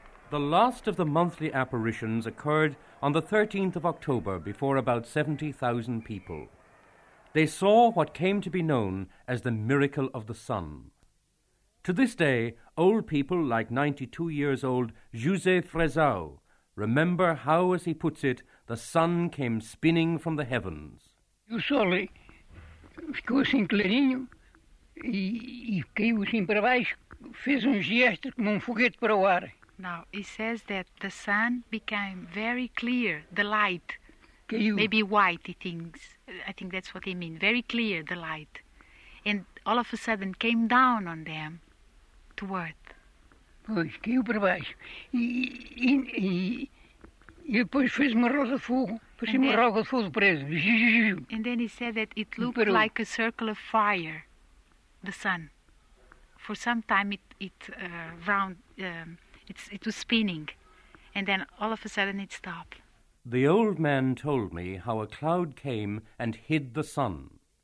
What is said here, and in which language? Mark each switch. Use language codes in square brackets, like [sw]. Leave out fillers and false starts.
[en] The last of the monthly apparitions occurred on the 13th of October before about 70,000 people. They saw what came to be known as the miracle of the sun. To this day, old people like 92 years old José Frezao remember how, as he puts it, the sun came spinning from the heavens. [pt] O sol ficou assim clarinho e caiu assim para baixo, fez gesto como foguete para o ar. [en] Now, he says that the sun became very clear, the light. Caiu. Maybe white, he thinks. I think that's what he means. Very clear, the light. And all of a sudden came down on them to earth. [pt] Pois, caiu para baixo. E depois fez uma roda de fogo. Parecia uma roda de fogo de preso. [en] And then he said that it looked like a circle of fire, the sun. For some time it was spinning. And then all of a sudden it stopped. The old man told me how a cloud came and hid the sun.